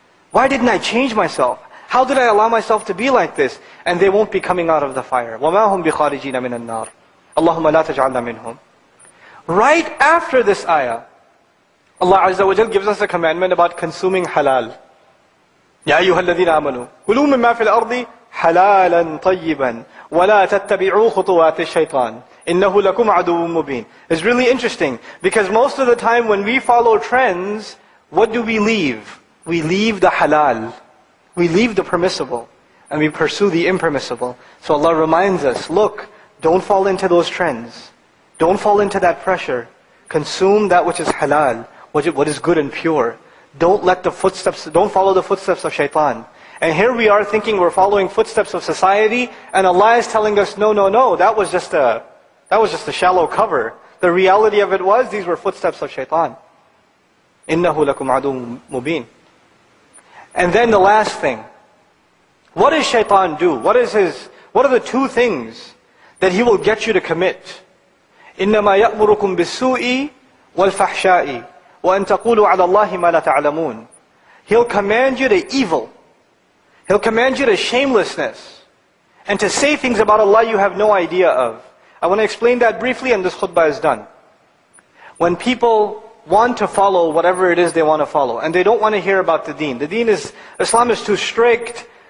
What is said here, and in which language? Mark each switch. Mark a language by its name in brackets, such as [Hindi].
[English] Why didn't I change myself? How did I allow myself to be like this? And they won't be coming out of the fire. [Arabic] وَمَا هُمْ بِخَارِجِينَ مِنَ النَّارِ اللَّهُمَّ لَا تَجْعَلْنَا مِنْهُمْ [English] Right after this ayah, Allah Azza wa Jal gives us a commandment about consuming halal. [Arabic] يَا أَيُّهَا الَّذِينَ آمَنُوا كُلُوا مِمَّا فِي الْأَرْضِ حَلَالًا طَيِّبًا وَلَا تَتَّبِعُوا خُطُوَاتِ الشَّيْطَانِ إِنَّهُ لَكُمْ عَدُوٌ مُّبِينٌ [English] It's really interesting, because most of the time when we follow trends, what do we leave? We leave the halal. We leave the permissible. And we pursue the impermissible. So Allah reminds us, look, don't fall into those trends. Don't fall into that pressure. Consume that which is halal, what is good and pure. Don't follow the footsteps of shaitan. And here we are thinking we're following footsteps of society, and Allah is telling us, no, no, no, that was just a shallow cover. The reality of it was, these were footsteps of shaitan. [Arabic] إِنَّهُ لَكُمْ عَدُوٌ مُّبِينٌ [English] And then the last thing. What does shaitan do? What are the two things that he will get you to commit? [Arabic] إِنَّمَا يَأْمُرُكُمْ بِالسُّوءِ وَالْفَحْشَاءِ وَأَنْ تَقُولُوا عَلَى اللَّهِ مَا لَا تَعْلَمُونَ [English] He'll command you to evil. He'll command you to shamelessness and to say things about Allah you have no idea of. I want to explain that briefly and this khutbah is done. When people want to follow whatever it is they want to follow and they don't want to hear about the deen. The deen is, Islam is too strict.